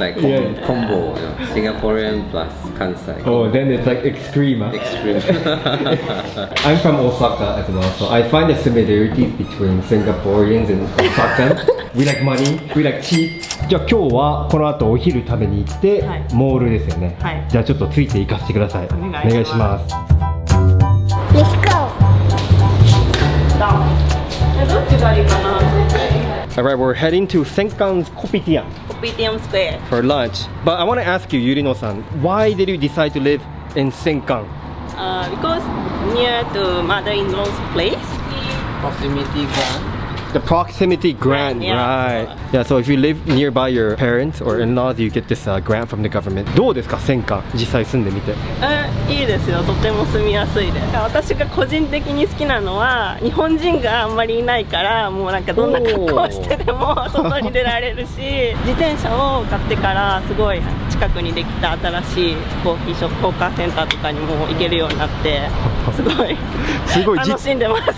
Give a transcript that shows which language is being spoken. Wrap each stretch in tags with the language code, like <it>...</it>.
<en>It's like combo, you know, Singaporean plus Kansai. Oh, then it's like extreme. Extreme. I'm from Osaka as well, so I find the similarities between Singaporeans and Osaka. We like money, we like cheap.</en> <ja>じゃあ今日はこの後お昼食べに行って、はい、モールですよね、はい、じゃあちょっとついて行かせてくださいお願いします。</ja> <en>レッツゴ</en> <ja>ー。 どっちがいいかな。</ja> <en>Alright, we're heading to Sengkang's Kopitiam Kopitiam Square for lunch. But I want to ask you, Yurino-san, why did you decide to live in Sengkang? Because near to mother-in-law's place. Proximity grant. The proximity grant, yeah, right. Yeah, so if you live nearby your parents or in-laws, you get this grant from the government.</en> <ja>どうですか、センカン、実際住んでみて。いいですよ、とても住みやすいです。私が個人的に好きなのは、日本人があんまりいないから、もうなんかどんな格好してでも外に出られるし、自転車を買ってからすごい近くにできた新しいコーヒーショップ、コーカーセンターとかにも行けるようになって、すごい楽しんでます。</ja>